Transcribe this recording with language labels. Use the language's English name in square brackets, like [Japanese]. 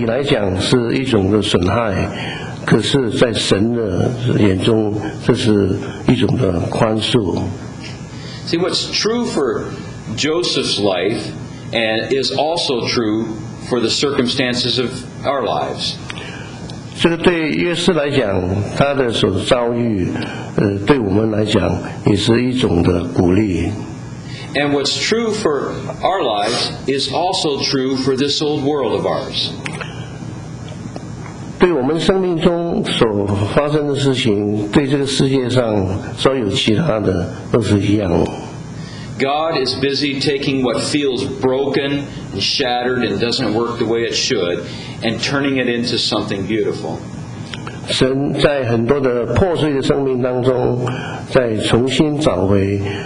[Chinese] 在对你来讲是一种的损害, 可是在神的眼中这是一种的宽恕。 [English] See, what's true for Joseph's life and is also true for the circumstances of our lives. [Chinese] 这个对约瑟来讲, 他的所遭遇, 对我们来讲也是一种的鼓励。 [English] And what's true for our lives is also true for this old world of ours. [Chinese] 对我们生命中所发生的事情, 对这个世界上所有其他的都是一样。 [English] God is busy taking what feels broken and shattered and doesn't work the way it should and turning it into something beautiful. [Chinese] 神在很多的破碎的生命当中, 再重新找回,